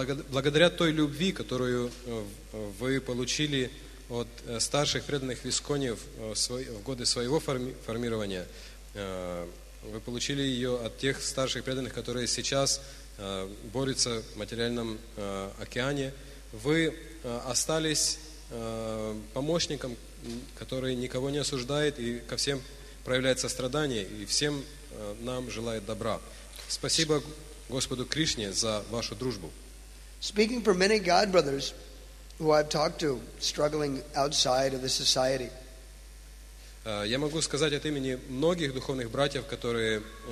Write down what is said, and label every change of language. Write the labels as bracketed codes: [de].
[ru] Благодаря той любви, которую вы получили от старших преданных висконьев в годы своего формирования, вы получили ее от тех старших преданных, которые сейчас борются в материальном океане. Вы остались помощником, который никого не осуждает и ко всем проявляет сострадание и всем нам желает добра. Спасибо Господу Кришне за вашу дружбу. [en] Speaking for many God brothers who I've talked to struggling outside of the society. [ru] Я могу сказать от имени многих духовных братьев, которые